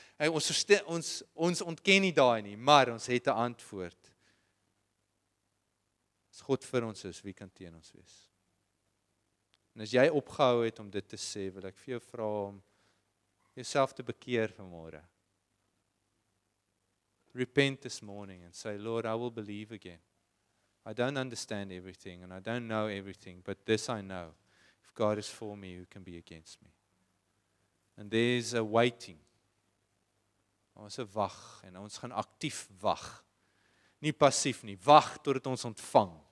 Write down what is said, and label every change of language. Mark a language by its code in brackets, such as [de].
[af] Hey, ons ontken nie daai nie, maar ons het 'n antwoord. As God vir ons is, wie kan teen ons wees? En as jy opgehou het om dit te sê, wil ek vir jou vra om jouself te bekeer vanmôre. [en] Repent this morning and say, Lord, I will believe again. I don't understand everything and I don't know everything, but this I know. If God is for me, who can be against me? And there's a waiting. [af] Ons wag en ons gaan aktief wag. Nie passief nie, wag totdat ons ontvang.